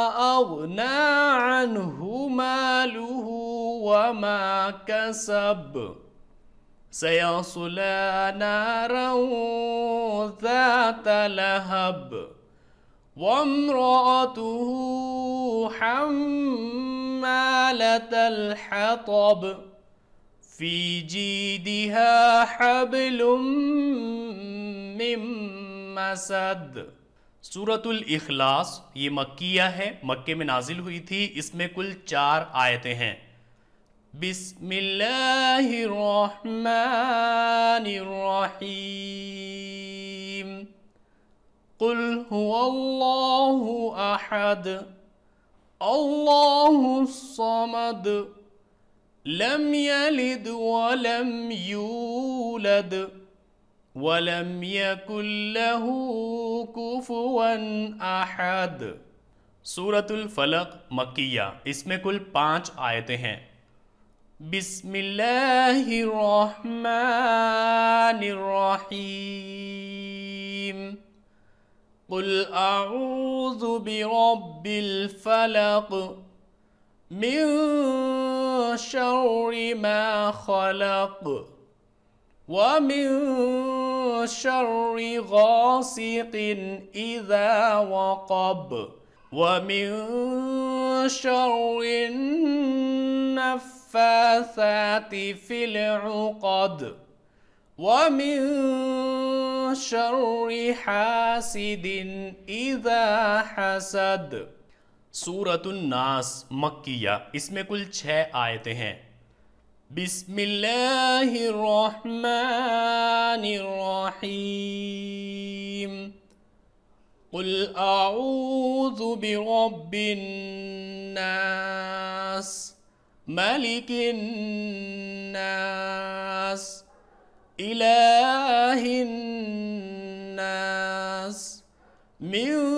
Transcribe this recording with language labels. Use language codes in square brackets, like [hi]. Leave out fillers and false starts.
[ar] اغنا عنہ ماله وما كسب سيصلى نارا ذات لهب وامرأته حمالة الحطب في جيدها حبل من مسد. [ur] سورة الإخلاص یہ مکیہ ہے، مکہ میں نازل ہوئی تھی، اس میں کل چار آیتیں ہیں. [ar] بسم اللہ الرحمن الرحیم قل هو اللہ احد اللہ الصمد لم یلد ولم یولد ولم یکن له کفوا احد. [ur] سورة الفلق مکیہ، اس میں کل پانچ آیتیں ہیں. [ar] بسم اللہ الرحمن الرحیم قل اعوذ برب الفلق من شر ما خلق ومن شر غاسق اذا وقب ومن شر النفاثات فَاثَاتِ فِي الْعُقَدِ وَمِن شَرِّ حَاسِدٍ إِذَا حَسَدِ. [ur] سورة الناس مکیہ، اس میں کل چھ آیتیں ہیں. [ar] بسم اللہ الرحمن الرحیم قل اعوذ برب الناس ملك الناس إله الناس من